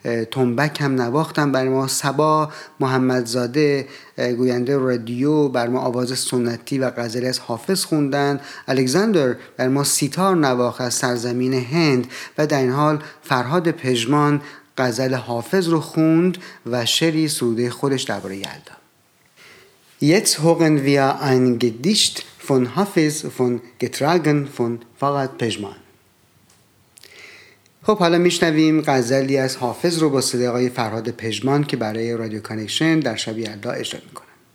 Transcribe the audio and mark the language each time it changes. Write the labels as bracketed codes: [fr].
[fa] تنبک هم نواختن برای ما، سبا محمدزاده گوینده رادیو برای ما آواز سنتی و غزلی از حافظ خوندن، الکساندر برای ما سیتار نواخت از سرزمین هند، و در این حال فرهاد پژمان غزل حافظ رو خوند و شعری سروده خودش درباره یلدا. [de] Jetzt hören wir ein Gedicht von Hafiz, von getragen von Farhad Pejman. [fa] خب حالا میشنویم غزلی از حافظ رو با صدای آقای فرهاد پژمان که برای رادیو کانکشن در شب یلدا اجرا میکنه.